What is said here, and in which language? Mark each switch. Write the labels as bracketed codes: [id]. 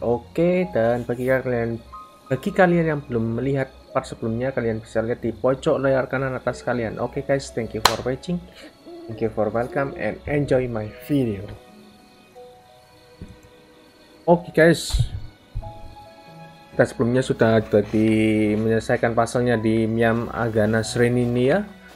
[id] Oke, dan bagi kalian yang belum melihat part sebelumnya, kalian bisa lihat di pojok layar kanan atas kalian. [en] Oke, guys, thank you for watching, thank you for welcome, and enjoy my video. [id] Oke, guys, kita sebelumnya sudah tadi menyelesaikan pasalnya di Miam Agana Shrine ini ya.